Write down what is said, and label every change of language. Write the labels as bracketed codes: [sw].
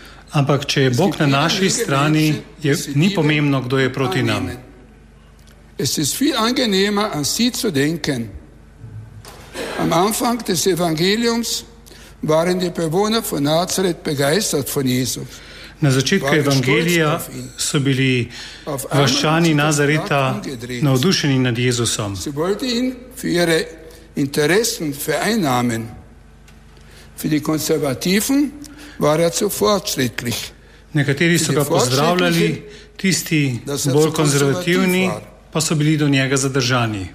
[sl] Ampak če je Bog na naši strani, ni pomembno, kdo je proti nam. [de] Es ist viel angenehmer, an sie zu denken. Am Anfang des Evangeliums waren die Bewohner von Nazareth begeistert von Jesus. [sl] Na začetku Evangelija so bili vaščani Nazareta navdušeni nad Jezusom. [de] Sie wollten ihn für ihre Interessen vereinnahmen. Für die Konservativen war er zu fortschrittlich. [sl] Nekateri so ga pozdravljali, tisti bolj konservativni pa so bili do njega zadržani.